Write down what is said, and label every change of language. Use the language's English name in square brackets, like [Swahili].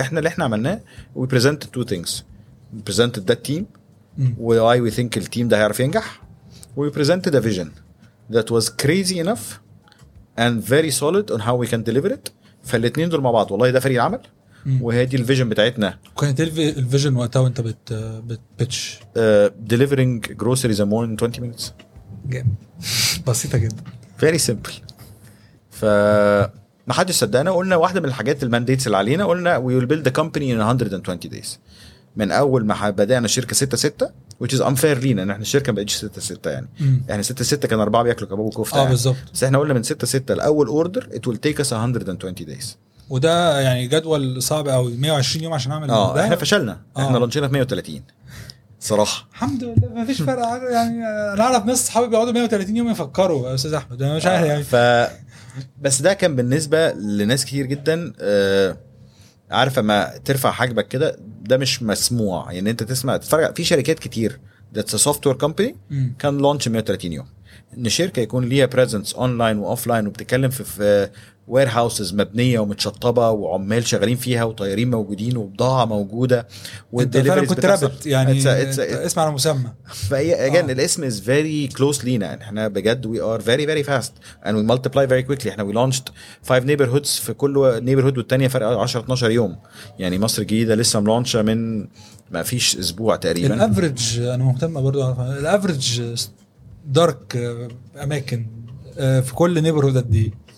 [Arabic] احنا اللي احنا عملناه [English] we presented two things، we presented that team why we think [Arabic] التيم ده هيعرف ينجح، [English] we presented a vision that was crazy enough and very solid on how we can deliver it. [Arabic] فالاتنين دول مع بعض والله ده فريق عمل وهذه الفيجن بتاعتنا. كانت الفيجن وقتها وانت بتبتش [English] delivering groceries and more in 20 minutes [Arabic] جامد بسيطة جدا [English] very simple. [Arabic] فمحدش صدقنا، قلنا واحدة من الحاجات المانديتس اللي علينا قلنا [English] we will build the company in 120 days [Arabic] من اول ما بدأنا الشركة 6-6 [English] which is unfair [Arabic] لينا ان احنا الشركة ما بقتش 6-6 يعني. يعني 6-6 كان 4 بيأكلوا كباب وكفتة يعني. بالزبط. بس احنا قلنا من 6-6 الاول [English] order it will take us 120 days [Arabic] وده يعني جدول صعب قوي 120 يوم عشان اعمل ده. احنا فشلنا احنا لانشينا في 130 صراحه الحمد لله ما فيش فرق يعني. انا اعرف ناس صحابي بيقعدوا 130 يوم يفكروا يا استاذ احمد انا مش عارف يعني. بس ده كان بالنسبه لناس كتير جدا عارف ما ترفع حاجبك كده ده مش مسموع يعني. انت تسمع تتفرج في شركات كتير ذات سوفت وير كومباني كان لانش 130 يوم ان شركه يكون ليها بريزنس اونلاين واوفلاين وبتكلم في warehouses مبنية ومتشطبة وعمال شغالين فيها وطيارين موجودين وبضاعة موجودة والدليفري كنت رابط يعني اسم على مسمى. فأجل الاسم [English] is very close [Arabic] لينا. احنا بجد [English] we are very very fast and we multiply very quickly. [Arabic] احنا [English] we launched 5 neighborhoods [Arabic] في كل neighborhood والتانية فرق 10-12 يوم يعني. مصر الجديدة لسه ملونشة من ما فيش اسبوع تقريبا. الافرج انا مهتم برضو عارفة. الافرج دارك اماكن في كل neighborhood دي